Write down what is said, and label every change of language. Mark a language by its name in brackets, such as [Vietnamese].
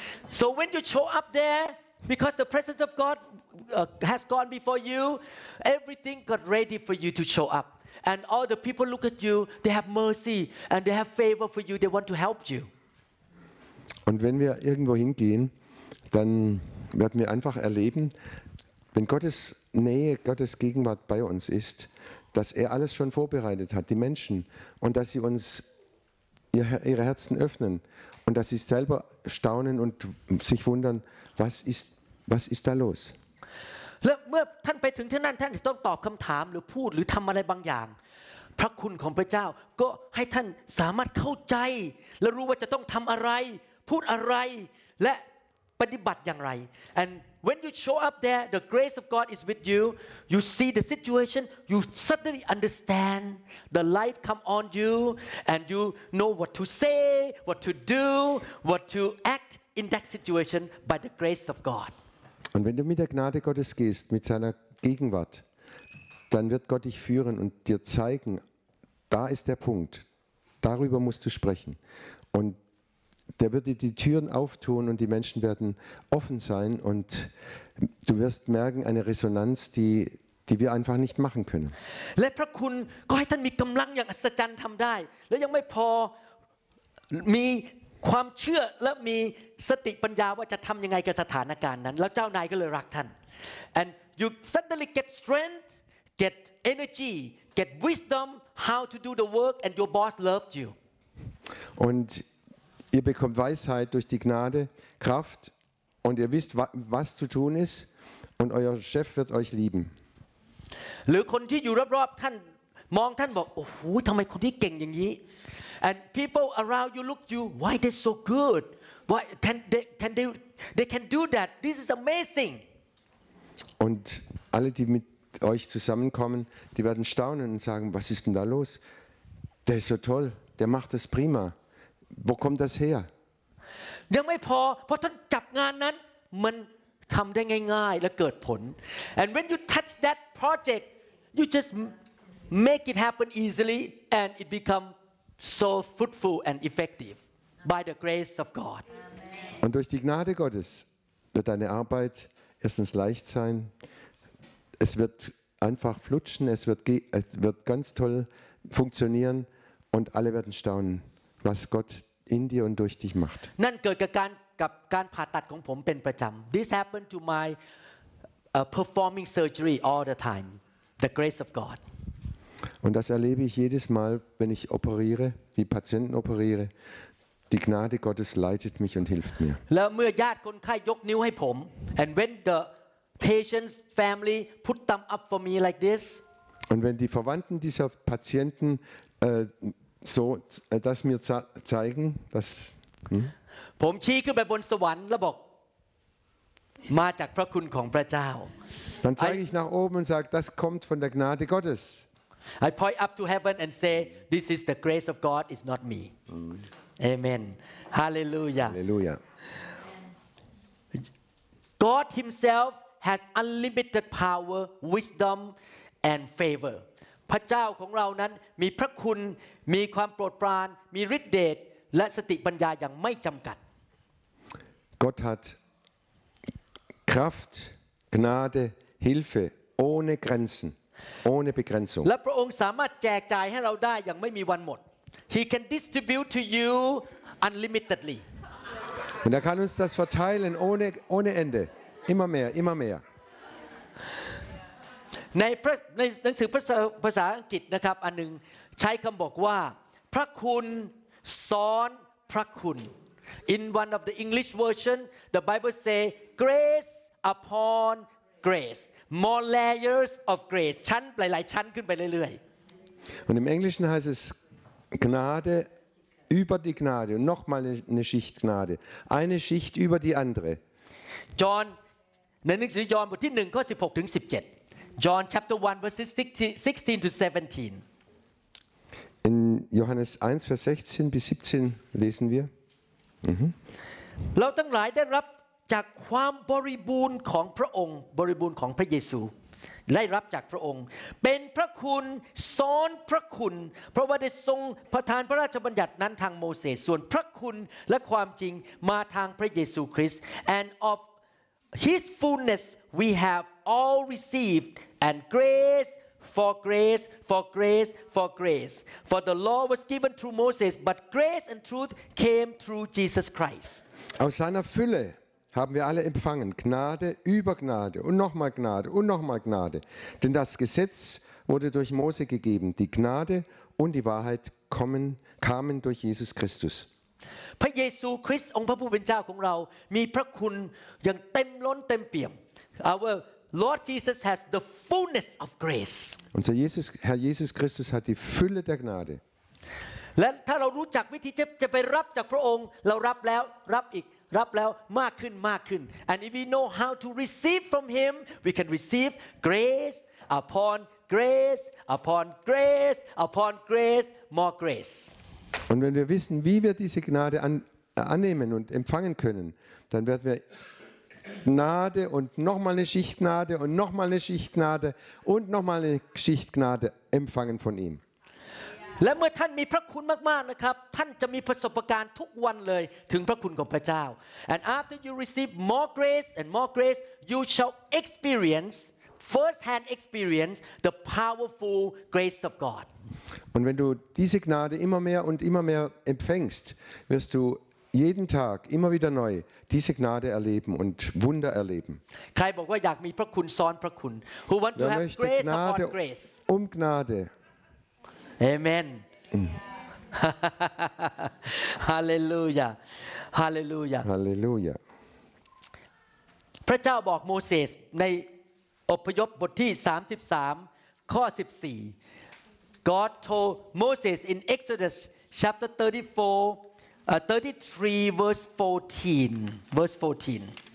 [English] So when you show up there, because the presence of God has gone before you, everything got ready for you to show up. And all the people look at you. They have mercy and they have favor for you. They want to help you. [German] Und wenn wir irgendwo hingehen, dann werden wir einfach erleben, wenn Gottes Nähe, Gottes Gegenwart bei uns ist, dass alles schon vorbereitet hat, die Menschen, und dass sie uns ihre Herzen öffnen und dass sie selber staunen und sich wundern, was ist da los? [Thai] และเมื่อท่านไปถึงที่นั่นท่านต้องตอบคำถามหรือพูดหรือทำอะไรบางอย่างพระคุณของพระเจ้าก็ให้ท่านสามารถเข้าใจและรู้ว่าจะต้องทำอะไรพูดอะไรและปฏิบัติอย่างไร [English] And when you show up there, the grace of God is with you. You see the situation. You suddenly understand. The light come on you, and you know what to say, what to do, what to act in that situation by the grace of God. [German] Und wenn du mit der Gnade Gottes gehst, mit seiner Gegenwart, dann wird Gott dich führen und dir zeigen, da ist der Punkt, darüber musst du sprechen. Und der wird dir die Türen auftun und die Menschen werden offen sein und du wirst merken, eine Resonanz, die wir einfach nicht machen können. Und der Herr gibt dir die Kraft, die du mit dem Herrn machen kannst. Und es ist noch nicht genug. [Thai] ความเชื่อและมีสติปัญญาว่าจะทำยังไงกับสถานการณ์นั้นแล้วเจ้านายก็เลยรักท่าน [English] and you suddenly get strength get energy get wisdom how to do the work and your boss loves you [German] und ihr bekommt Weisheit durch die Gnade Kraft und ihr wisst was zu tun ist und euer Chef wird euch lieben [Thai] หรือคนที่อยู่รอบๆท่านมองท่านบอกโอ้โหทำไมคนที่เก่งอย่างนี้ [English] And people around you look at you. Why they so good? Why can they do that? This is amazing. [German] Und alle, die mit euch zusammenkommen, die werden staunen und sagen, was ist denn da los? Der ist so toll. Der macht das prima. Wo kommt das her? [Thai] ยังไม่พอเพราะท่านจับงานนั้นมันทำได้ง่ายๆและเกิดผล [English] And when you touch that project, you just make it happen easily, and it becomesso fruitful and effective by the grace of God [German] und durch die gnade gottes wird deine arbeit erstens leicht sein. Es wird einfach flutschen, es wird ganz toll funktionieren und alle werden staunen, was Gott in dir und durch dich macht. [Thai] นั่นเกิดกับการผ่าตัดของผมเป็นประจํา [English] This happened to my performing surgery all the time. The grace of God. [German] Und das erlebe ich jedes Mal, wenn ich operiere, die Patienten operiere. Die Gnade Gottes leitet mich und hilft mir. [Thai] แล้วเมื่อญาติคนไข้ยกนิ้วให้ผม [English] and when the patient's family put them up for me like this. [German] Und wenn die Verwandten dieser Patienten das mir zeigen, dass [Thai] ผมชี้ขึ้นไปบนสวรรค์แล้วบอกมาจากพระคุณของพระเจ้า [German] Dann zeige ich nach oben und sage, das kommt von der Gnade Gottes. [English] I point up to heaven and say, this is the grace of God, it's not me. Amen. Hallelujah. Hallelujah. God himself has unlimited power, wisdom and favor. [Thai] พระเจ้าของเรานั้นมีพระคุณมีความโปรดปรานมีฤทธิ์เดชและสติปัญญาอย่างไม่จำกัด [German] Gott hat Kraft, Gnade, Hilfe ohne Grenzen, ohne Begrenzung. [Thai] และพระองค์สามารถแจกจ่ายให้เราได้อย่างไม่มีวันหมด [English] He can distribute to you unlimitedly. [German] Und kann uns das verteilen ohne Ende, immer mehr. [Thai] ในหนังสือภาษาอังกฤษนะครับอันนึงใช้คำบอกว่าพระคุณสอนพระคุณ [English] In one of the English version, the Bible say grace upon grace, more layers of grace, [Thai] ชั้นหลายๆชั้นขึ้นไปเรื่อย [German] ๆ Und im Englischen heißt es Gnade über die Gnade und noch mal eine Schicht Gnade, eine Schicht über die andere. [Thai] John, ในหนังสือยอห์นบทที่1ข้อ16ถึง17 [English] John chapter 1 verses 16 to 17. [German] In Johannes 1, Vers 16 bis 17 lesen wir. [Thai] เราทั้งหลายได้รับจากความบริบูรณ์ของพระองค์บริบูรณ์ของพระเยซูได้รับจากพระองค์เป็นพระคุณสอนพระคุณเพราะว่าได้ทรงประทานพระราชบัญญัตินั้นทางโมเสสส่วนพระคุณและความจริงมาทางพระเยซูคริสต์ [English] and of his fullness we have all received and graceFor grace, for grace, for grace. For the law was given through Moses, but grace and truth came through Jesus Christ. [German] Aus seiner Fülle haben wir alle empfangen, Gnade über Gnade und nochmal Gnade und nochmal Gnade. Denn das Gesetz wurde durch Mose gegeben. Die Gnade und die Wahrheit kamen durch Jesus Christus. [Thai] พระเยซูคริสต์องค์พระผู้เป็นเจ้าของเรามีพระคุณอย่างเต็มล้นเต็มเปี่ยม [English] OurLord Jesus has the fullness of grace. [German] Unser Jesus, Herr Jesus Christus hat die Fülle der Gnade. [Thai] และถ้าเรารู้จักวิธีจะไปรับจากพระองค์เรารับแล้วรับอีกรับแล้วมากขึ้นมากขึ้น [English] And if we know how to receive from him, we can receive grace upon grace upon grace upon grace more grace. [German] Und wenn wir wissen, wie wir diese Gnade annehmen und empfangen können, dann werden wirGnade und nochmal eine Schicht Gnade und nochmal eine Schicht Gnade und nochmal eine Schicht Gnade empfangen von ihm. Und wenn ihr mit Gnade sehr viel habt, dann habt ihr jeden Tag Erfahrungen mit der Gnade von Gott. [English] And after you receive more grace and more grace, you shall experience firsthand experience the powerful grace of God. [German] Und wenn du diese Gnade immer mehr und immer mehr empfängst, wirst du jeden Tag immer wieder neu diese Gnade erleben und Wunder erleben. [Thai] Kai บอกว่าอยากมีพระคุณซ้อนพระคุณ [English] Who want to have grace upon grace? [German] Gnade. [English] Amen. Hallelujah. Hallelujah. Hallelujah. [Thai] พระเจ้าบอกโมเสสในอพยพบทที่33ข้อ14 [English] God told Moses in Exodus chapter 3433 verse 14.